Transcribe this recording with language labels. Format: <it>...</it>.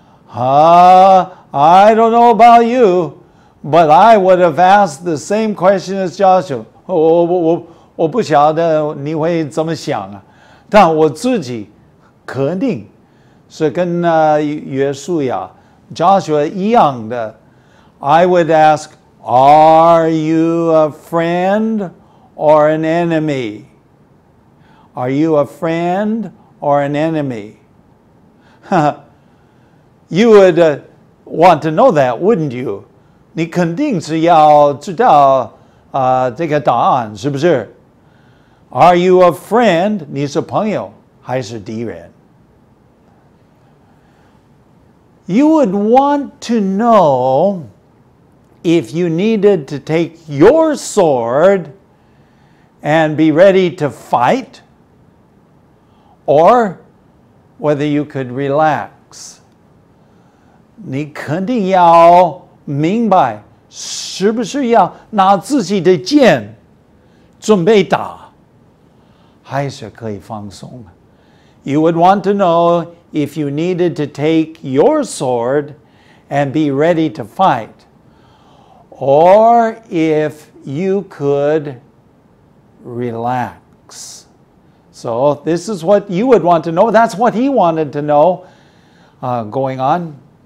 <en>I don't know about you, but I would have asked the same question as Joshua.</en> <zh>我不晓得你会怎么想啊，但我自己肯定是跟约书亚 Joshua 一样的。</zh> <en>I would ask, are you a friend or an enemy? Are you a friend or an enemy? You would want to know that, wouldn't you?</en> <zh>你肯定是要知道这个答案，是不是？</zh> <en>Are you a friend?</en> <zh>你是朋友还是敌人？</zh> <en>You would want to know if you needed to take your sword and be ready to fight, or whether you could relax.</en> <zh>你肯定要明白是不是要拿自己的剑准备打，还是可以放松。</zh> <en>You would want to know if you needed to take your sword and be ready to fight, or if you could relax. So this is what you would want to know. That's what he wanted to know going on.</en>